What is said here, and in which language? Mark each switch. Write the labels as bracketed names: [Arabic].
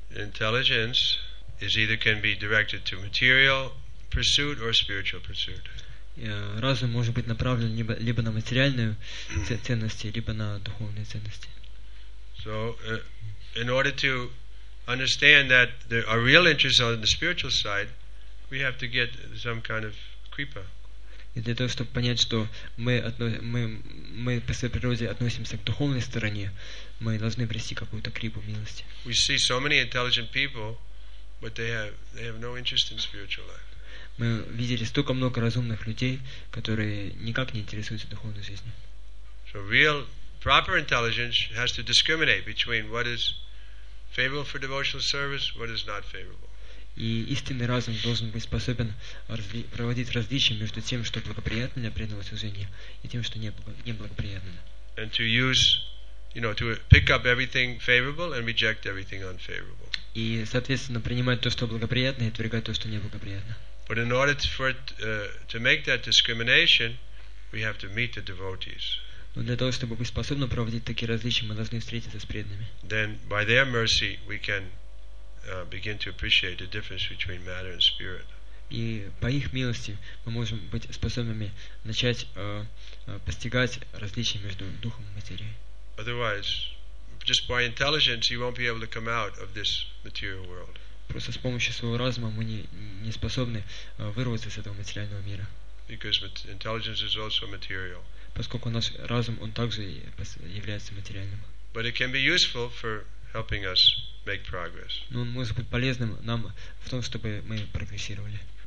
[English] Intelligence is either can be directed to material pursuit or spiritual pursuit. [Russian] Разум может быть направлен либо на материальные ценности, либо на духовные ценности. [English] So in order to understand that there are real interests on the spiritual side, we have to get some kind of kripa. [Russian] И для того, чтобы понять, что мы по своей природе относимся к духовной стороне, мы должны обрести какую-то крипу милости. [English] We see so many intelligent people, but they have no interest in spiritual life. [Russian] Мы видели столько много разумных людей, которые никак не интересуются духовной жизнью. [English] So real proper intelligence has to discriminate between what is favorable for devotional service, what is not favorable. [Russian] И истинный разум должен быть способен проводить различие между тем, что благоприятно для преданного служения, и тем, что неблагоприятно. [English] And to use, you know, to pick up everything favorable and reject everything unfavorable. [Russian] И, соответственно, принимать то, что благоприятно, и отвергать то, что неблагоприятно. [English] But in order to make that discrimination, we have to meet the devotees. [Russian] Но для того, чтобы быть способны проводить такие различия, мы должны встретиться с преданными. [English] Then, by their mercy, we can begin to appreciate the difference between matter and spirit. [Russian] И по их милости мы можем быть способными начать постигать различия между духом и материей. [English] Otherwise, just by intelligence, you won't be able to come out of this material world. [Russian] Просто с помощью своего разума мы не способны вырваться из этого материального мира. [English] Because intelligence is also material. [Russian] Поскольку наш разум, он также является материальным. [English] But it can be useful for helping us make progress. [Russian] Но он может быть полезным нам в том, чтобы мы прогрессировали.